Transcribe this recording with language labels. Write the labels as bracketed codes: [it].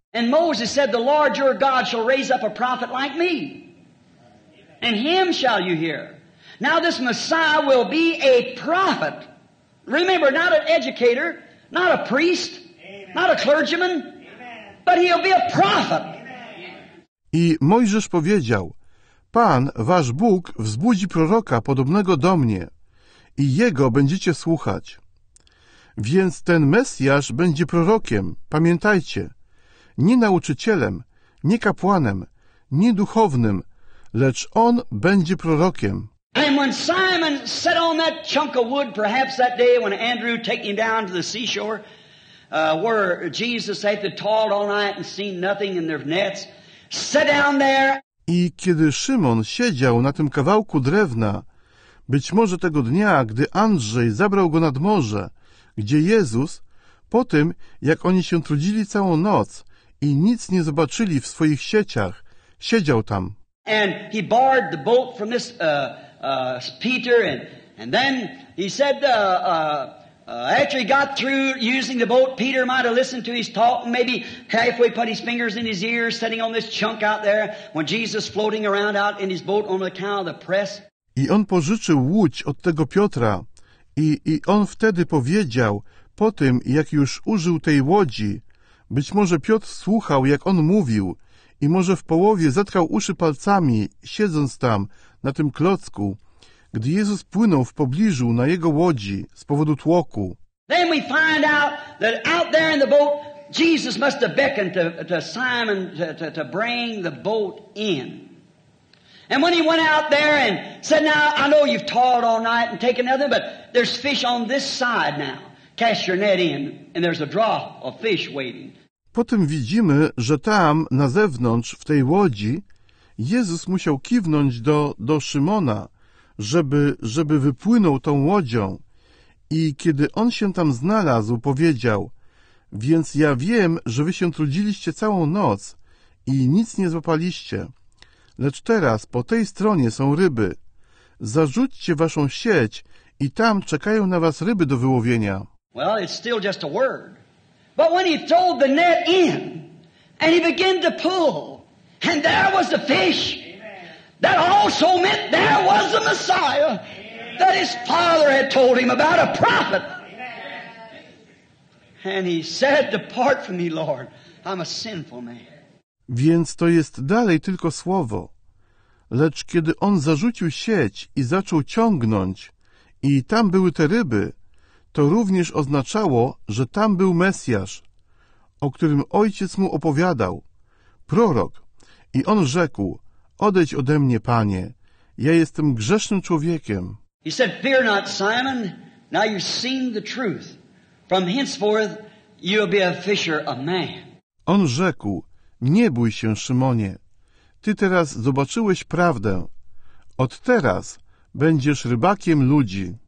[en] And Moses said, the Lord your God shall raise up a prophet like me. And him shall you hear. Now this Messiah will be a prophet. Remember, not an educator, not a priest, not a clergyman, but he'll be a prophet. [pl] I Mojżesz powiedział, Pan, wasz Bóg, wzbudzi proroka podobnego do mnie i jego będziecie słuchać. Więc ten Mesjasz będzie prorokiem, pamiętajcie, nie nauczycielem, nie kapłanem, nie duchownym, lecz on będzie prorokiem. [en] And when Simon sat on that chunk of wood, perhaps that day when Andrew took him down to the seashore, where Jesus had toiled all night and seen nothing in their nets, sit down there. [pl] I kiedy Szymon siedział na tym kawałku drewna, Być może tego dnia, gdy Andrzej zabrał go nad morze, gdzie Jezus, po tym, jak oni się trudzili całą noc i nic nie zobaczyli w swoich sieciach, siedział tam. [en] And he barred the boat from this Peter, and then he said, after he got through using the boat, Peter might have listened to his talk, and maybe halfway put his fingers in his ears, sitting on this chunk out there, when Jesus floating around out in his boat on account of the press. [pl] I on pożyczył łódź od tego Piotra i on wtedy powiedział, po tym jak już użył tej łodzi, być może Piotr słuchał jak on mówił i może w połowie zatkał uszy palcami, siedząc tam na tym klocku, gdy Jezus płynął w pobliżu na jego łodzi z powodu tłoku. [en] Then we find out that out there in the boat, Jesus must have beckoned to Simon to bring the boat in. And when he went out there and said, now, I know you've toiled all night and taken nothing, but there's fish on this side now. Cast your net in, and there's a draw of fish waiting. [pl] Potem widzimy, że tam, na zewnątrz, w tej łodzi, Jezus musiał kiwnąć do Szymona, żeby wypłynął tą łodzią. I kiedy on się tam znalazł, powiedział, więc ja wiem, że wy się trudziliście całą noc i nic nie złapaliście. Lecz teraz po tej stronie są ryby. Zarzućcie waszą sieć i tam czekają na was ryby do wyłowienia. [en] Well, it's still just a word. But when he threw the net in and he began to pull, and there was the fish. Amen. That also meant there was the Messiah. Amen. That his father had told him about, a prophet. Amen. And he said, depart from me, Lord. I'm a sinful man. [pl] Więc to jest dalej tylko słowo. Lecz kiedy on zarzucił sieć i zaczął ciągnąć, i tam były te ryby, to również oznaczało, że tam był Mesjasz, o którym ojciec mu opowiadał, prorok. I on rzekł, odejdź ode mnie, Panie, ja jestem grzesznym człowiekiem. [en] He said, fear not, Simon, now you've seen the truth. From henceforth you'll be a fisher of men. [pl] On rzekł, nie bój się, Szymonie. Ty teraz zobaczyłeś prawdę. Od teraz będziesz rybakiem ludzi.